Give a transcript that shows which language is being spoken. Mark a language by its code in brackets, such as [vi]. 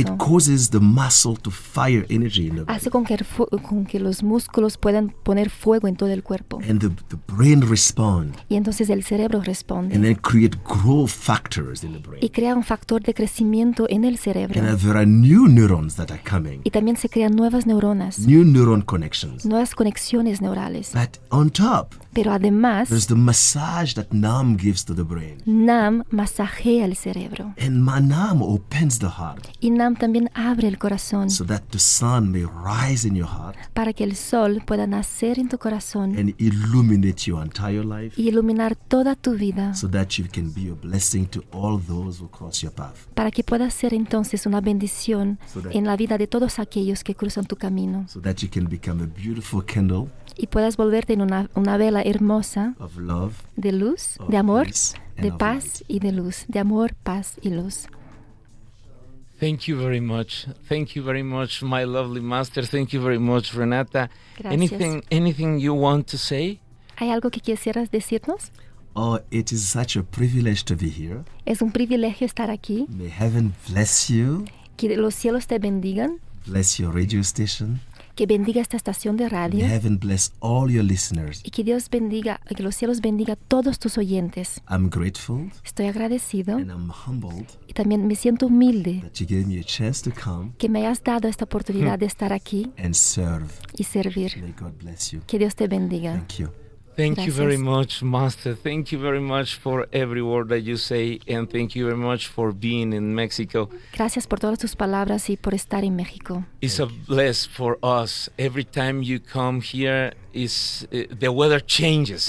[en] It causes the muscle to fire energy in the body. [es] Hace con que los músculos pueden poner fuego en todo el cuerpo. [en] And the brain respond. [es] Y entonces el cerebro responde. [en] And then create growth factors in the brain. [es] Y crea un factor de crecimiento en el cerebro. [en] And there are new neurons that are coming. [es] Y también se crean nuevas neuronas. [en] New neuron connections. [es] Nuevas conexiones neurales. [en] But on top, [es] pero además, [en] there's the massage that Nam gives to the brain. [es] Nam masajea el cerebro. [en] And Manam opens the heart. [es] Y Nam también abre el corazón. [en] So that the sun may rise in your heart. [es] Para que el sol pueda nacer en tu corazón. [en] And illuminate your entire life. [es] Y iluminar toda tu vida. [en] So that you can be a blessing to all those who cross your path. [es] Para que pueda ser entonces una bendición en la vida de todos aquellos que cruzan tu camino. [en] So that you can become a beautiful candle. [es] Y puedas volverte en una vela hermosa [en] of love, [es] de luz, [en] of [es] de amor, de paz [en] light. [es] Y de luz, de amor, paz y luz. [en] Thank you very much, my lovely master. Thank you very much, Renata. [es] Gracias. [en] Anything you want to say? [es] ¿Hay algo que quisieras decirnos? [en] Oh, it is such a privilege to be here. [es] Es un privilegio estar aquí. [en] May heaven bless you. [es] Que los cielos te bendigan. [en] Bless your radio station. [es] Que bendiga esta estación de radio. [en] May heaven bless all your listeners. [es] Y que Dios bendiga, que los cielos bendiga a todos tus oyentes. [en] I'm grateful. [es] Estoy agradecido. [en] And I'm humbled. [es] Y también me siento humilde. [en] That you gave me a chance to come. [es] Que me hayas dado esta oportunidad de estar aquí. [en] And serve. [es] Y servir. [en] May God bless you. [es] Que Dios te bendiga. [en] Thank you. Thank you very much, Master. Thank you very much for every word that you say, and thank you very much for being in Mexico. [es] Gracias por todas tus palabras y por estar en México. [en] It's a bless for us. Every time you come here, the weather changes.